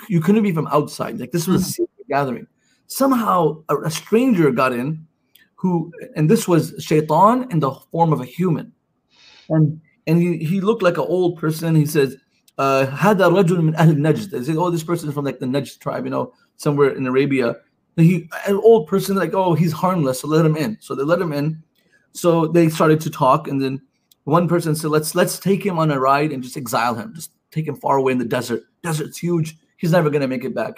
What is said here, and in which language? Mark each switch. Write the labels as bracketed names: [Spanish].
[English] You couldn't be from outside. Like, this was a secret gathering. Somehow a stranger got in, who, and this was Shaitan in the form of a human. And he looked like an old person. He says, [Arabic] هذا رجل من أهل النجد. [English] They say, oh, this person is from like the Najd tribe, you know, somewhere in Arabia. And he, an old person, like, oh, he's harmless, so let him in. So they let him in. So they started to talk, and then one person said, let's take him on a ride and just exile him. Just take him far away in the desert. Desert's huge. He's never going to make it back.